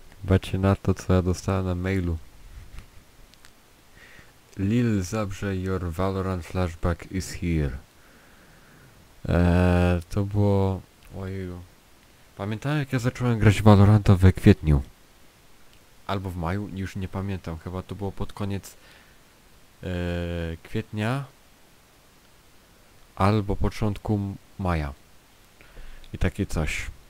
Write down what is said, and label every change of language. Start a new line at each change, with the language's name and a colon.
Polish: Patrzcie na to, co ja dostałem na mailu.
English: Lil Zabrze, your Valorant flashback is here.
Polish: To było... Ojeju. Pamiętam, jak ja zacząłem grać Valoranta we kwietniu. Albo w maju, już nie pamiętam. Chyba to było pod koniec kwietnia. Albo początku maja. I takie coś.